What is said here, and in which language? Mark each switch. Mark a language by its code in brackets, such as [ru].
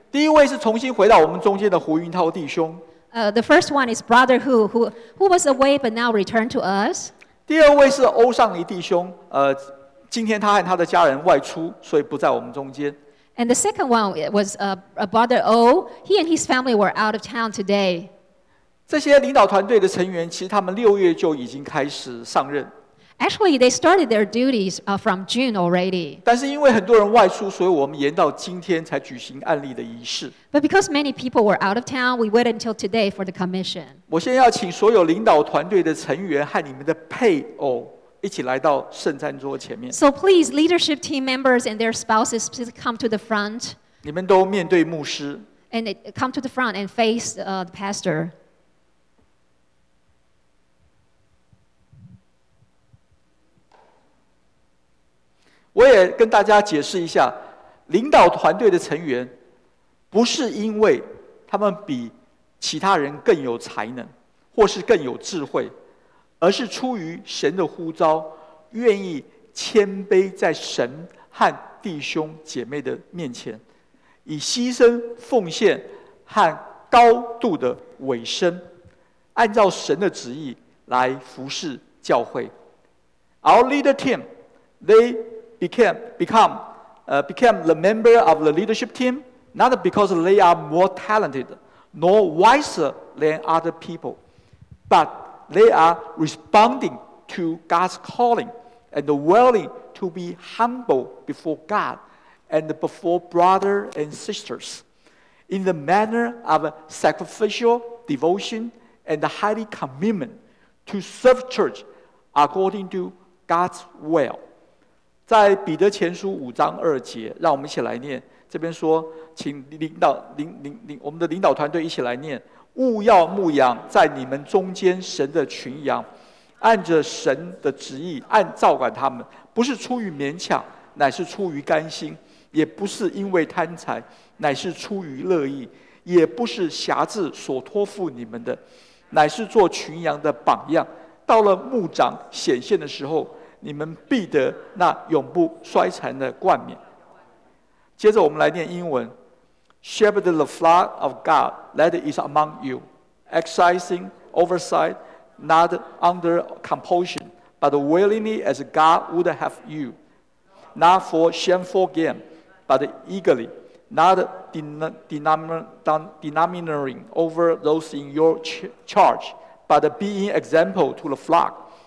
[zh] 第一位是重新回到我们中间的胡云涛弟兄。 [en] The first one is Brother Hu, who was away but now returned to us. [zh] 第二位是欧尚尼弟兄，今天他和他的家人外出，所以不在我们中间。 [en] And the second one was Brother O. He and his family were out of town today. [zh] 这些领导团队的成员，其实他们六月就已经开始上任。 [en] Actually, they started their duties from June already. [zh] 但是因为很多人外出，所以我们延到今天才举行案例的仪式。 [en] But because many people were out of town, we waited until today for the commission. [zh] 我先要请所有领导团队的成员和你们的配偶一起来到圣餐桌前面。 [en] So please, leadership team members and their spouses, please come to the front. [zh] 你们都面对牧师。 [en] And come to the front and face the pastor. [zh] 我也跟大家解释一下，领导团队的成员不是因为他们比其他人更有才能或是更有智慧，而是出于神的呼召，愿意谦卑在神和弟兄姐妹的面前，以牺牲奉献和高度的委身，按照神的旨意来服侍教会。 [en] Our leader team, theybbecame the member of the leadership team, not because they are more talented nor wiser than other people, but they are responding to God's calling and willing to be humble before God and before brothers and sisters in the manner of sacrificial devotion and highly commitment to serve church according to God's will. [zh] 在彼得前书五章二节，让我们一起来念。这边说，请我们的领导团队一起来念：务要牧养在你们中间神的群羊，按着神的旨意，按照管他们，不是出于勉强，乃是出于甘心；也不是因为贪财，乃是出于乐意；也不是辖制所托付你们的，乃是做群羊的榜样。到了牧长显现的时候，你们必得那永不衰残的冠冕。接着我们来念英文 [en] Shepherd the flock of God that is among you, exercising oversight, not under compulsion, but willingly as God would have you, not for shameful gain, but eagerly, not denominating over those in your charge, but being example to the flock.